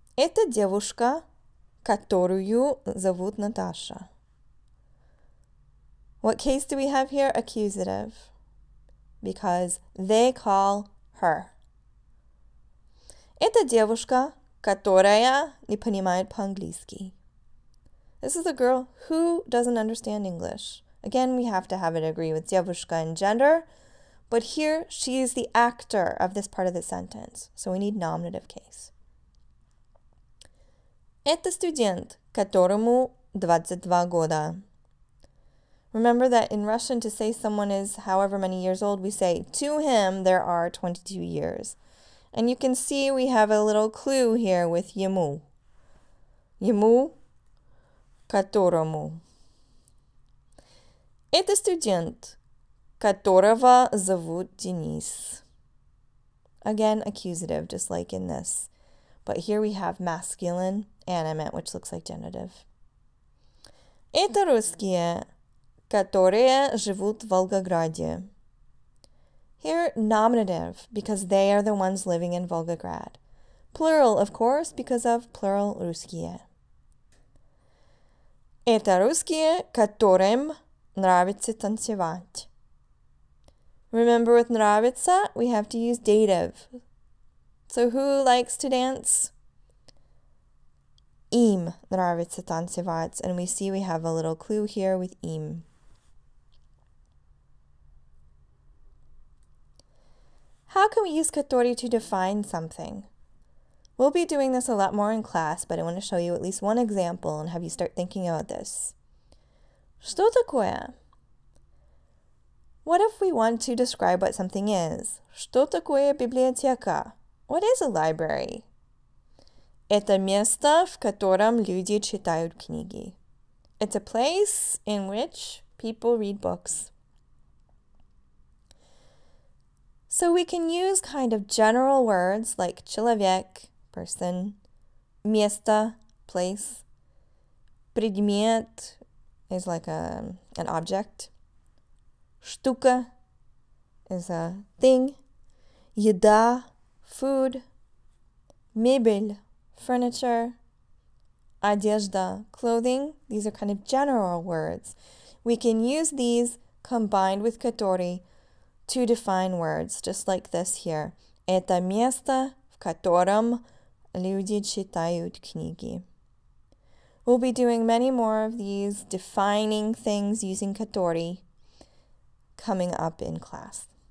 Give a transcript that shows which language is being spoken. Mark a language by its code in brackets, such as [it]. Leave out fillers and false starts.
[ru] Это девушка, которую зовут Наташа. [en] What case do we have here? Accusative. Because they call her. [ru] Это девушка, которая не понимает по-английски. [en] This is a girl who doesn't understand English. Again, we have to have it agree with девушка and gender. But here, she is the actor of this part of the sentence. So we need nominative case. [ru] Это студент, которому 22 года. [en] Remember that in Russian, to say someone is however many years old, we say, to him, there are 22 years. And you can see we have a little clue here with ему. [ru] Ему, которому. Это студент, которого зовут Денис. [en] Again, accusative, just like in this. But here we have masculine animate, which looks like genitive. [ru] Это русские, которые живут в Волгограде. [en] Here, nominative, because they are the ones living in Volgograd. Plural, of course, because of plural русские. [ru] Это русские, которым нравится танцевать. [en] Remember with нравится, we have to use dative. So who likes to dance? [ru] Им нравится танцевать. [en] And we see we have a little clue here with им. How can we use который to define something? We'll be doing this a lot more in class, but I want to show you at least one example and have you start thinking about this. [ru] Что такое? [en] What if we want to describe what something is? [ru] Что такое библиотека? [en] What is a library? [ru] Это место, в котором люди читают книги. [en] It's a place in which people read books. So we can use kind of general words like человек, person, место, place, предмет is like an object, штука is a thing, еда, food, мебель, furniture, одежда, clothing. These are kind of general words. We can use these combined with который to define words, just like this here. [ru] Это место, в котором люди читают книги. [en] We'll be doing many more of these defining things using который coming up in class.